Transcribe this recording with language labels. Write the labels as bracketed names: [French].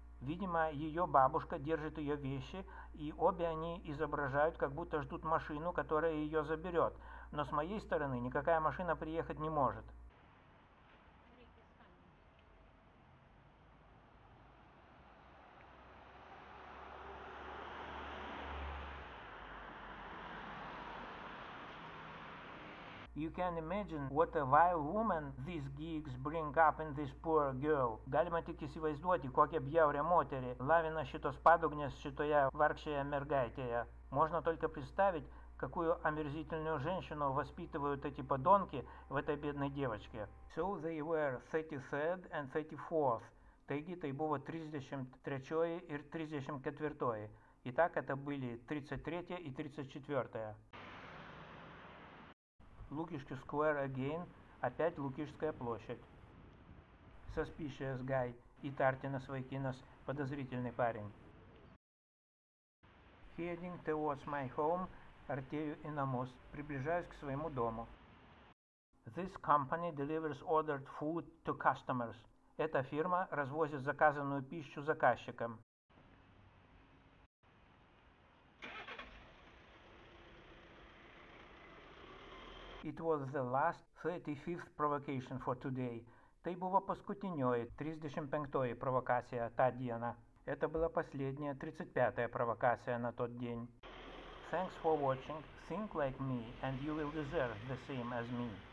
[Russian] Видимо, ее бабушка держит ее вещи, и обе они изображают, как будто ждут машину, которая ее заберет. Но с моей стороны никакая машина приехать не может. [English] You can imagine what a vile woman these geeks bring up in this poor girl. [Lithuanian] Galima tik įsivaizduoti, kokią bjaurią moterį lavina šitos padugnės šitoje vargšėje mergaitėje. [Russian] Можно только представить, какую омерзительную женщину воспитывают эти подонки в этой бедной девочке. [English] So they were 33rd and 34th. [Lithuanian] Taigi, tai buvo 33 ir 34. [Russian] Итак, это были 33 и 34. Лукишки [English] Square again, [Russian] опять Лукишская площадь. [English] Suspicious guy, [Russian] и Тартинас Вайкинас, подозрительный парень. [English] Heading towards my home, [Russian] артею и намос, приближаюсь к своему дому. [English] This company delivers ordered food to customers. [Russian] Эта фирма развозит заказанную пищу заказчикам. [English] It was the last 35th provocation for today. [Lithuanian] Tai buvo paskutinioji 35-oji provokacija tą dieną. [Russian] Это была последняя 35-ая провокация на тот день. [English] Thanks for watching. Think like me and you will deserve the same as me.